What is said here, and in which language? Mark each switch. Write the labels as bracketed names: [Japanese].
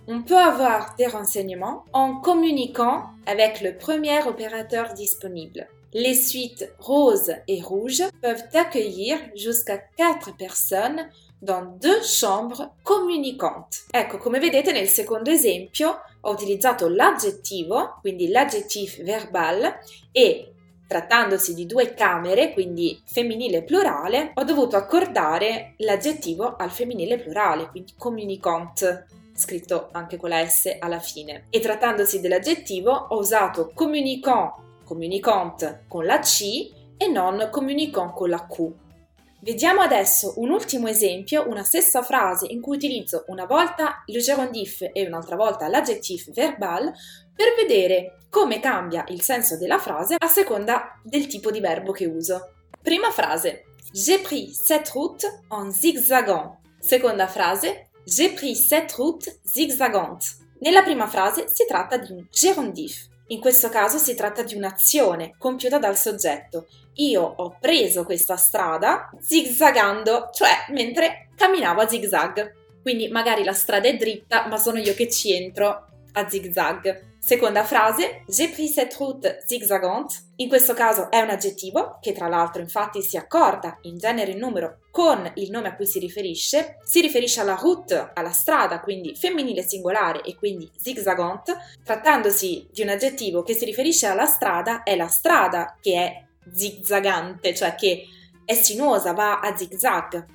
[French] On peut avoir des renseignements en communiquant avec le premier opérateur disponible. Les suites rose et rouge peuvent accueillir jusqu'à 4 personnes dans deux chambres communicantes. [Italian] Ecco, come vedete nel secondo esempio ho utilizzato l'aggettivo, quindi l'adjectif verbal, e trattandosi di due camere, quindi femminile plurale, ho dovuto accordare l'aggettivo al femminile plurale, quindi communicant, scritto anche con la S alla fine. E trattandosi dell'aggettivo, ho usato communicant, communicant con la C e non communicant con la Q. Vediamo adesso un ultimo esempio, una stessa frase in cui utilizzo una volta le gerondif e un'altra volta l'adjectif verbal per vedere come cambia il senso della frase a seconda del tipo di verbo che uso. Prima frase: [French] J'ai pris cette route en zigzagant. [Italian] Seconda frase: [French] J'ai pris cette route zigzagant. [Italian] Nella prima frase si tratta di un gerondif. In questo caso si tratta di un'azione compiuta dal soggetto. Io ho preso questa strada zigzagando, cioè mentre camminavo a zigzag. Quindi magari la strada è dritta, ma sono io che ci entro a zigzag. Seconda frase: [French] J'ai pris cette route zigzagant. [Italian] In questo caso è un aggettivo, che tra l'altro infatti si accorda in genere e numero con il nome a cui si riferisce. Si riferisce alla route, alla strada, quindi femminile singolare e quindi zigzagant. Trattandosi di un aggettivo che si riferisce alla strada, è la strada che è zigzagante, cioè che è sinuosa, va a zigzag.